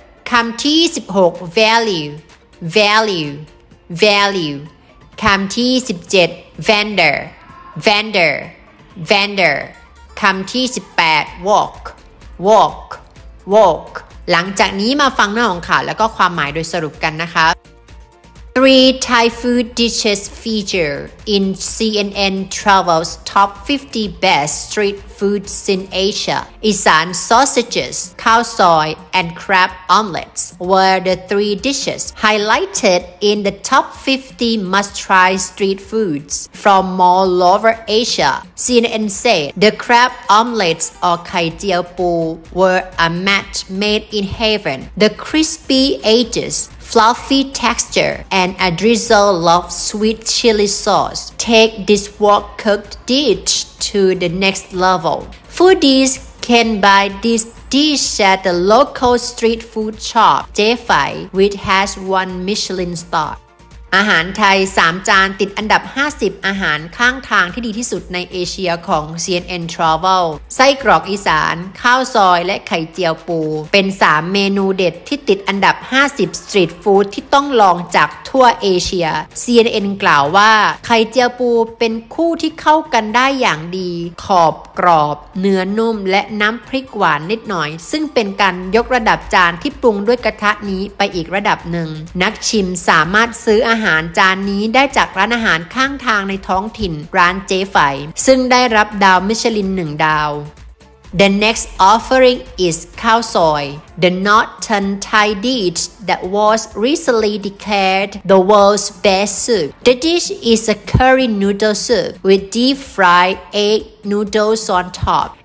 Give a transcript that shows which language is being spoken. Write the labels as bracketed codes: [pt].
[th] คำที่16 [en] value value value [th] คำที่17 [en] vendor vendor vendor [th] คำที่18 [en] walk walk walk [th] หลังจากนี้มาฟังเนื้อของข่าวแล้วก็ความหมายโดยสรุปกันนะคะ [en] 3 Thai food dishes feature in CNN Travel's top 50 best street foods in Asia. Isan sausages, cow soy, and crab omelets were the three dishes highlighted in the top 50 must-try street foods from all over Asia. CNN said the crab omelets or kai jiao pu were a match made in heaven. The crispy edges. Fluffy texture and a drizzle of sweet chili sauce take this well-cooked dish to the next level. Foodies can buy this dish at the local street food shop, Jie Fai, which has one Michelin star. [th] อาหารไทย3จานติดอันดับ50อาหารข้างทางที่ดีที่สุดในเอเชียของ CNN Travel ไส้กรอกอีสานข้าวซอยและไข่เจียวปูเป็น3เมนูเด็ดที่ติดอันดับ50สตรีทฟู้ดที่ต้องลองจากทั่วเอเชีย CNN กล่าวว่าไข่เจียวปูเป็นคู่ที่เข้ากันได้อย่างดีขอบกรอบเนื้อนุ่มและน้ำพริกหวานนิดหน่อยซึ่งเป็นการยกระดับจานที่ปรุงด้วยกระทะนี้ไปอีกระดับนึง นักชิมสามารถซื้ออาหารจานนี้ได้จากร้านอาหารข้างทางในท้องถิ่นร้านเจ๋ไฟซึ่งได้รับดาวมิชลิน1ดาว [en] The next offering is cow soy, the northern Thai dish that was recently declared the world's best soup. The dish is a curry noodle soup with deep-fried egg noodles on top.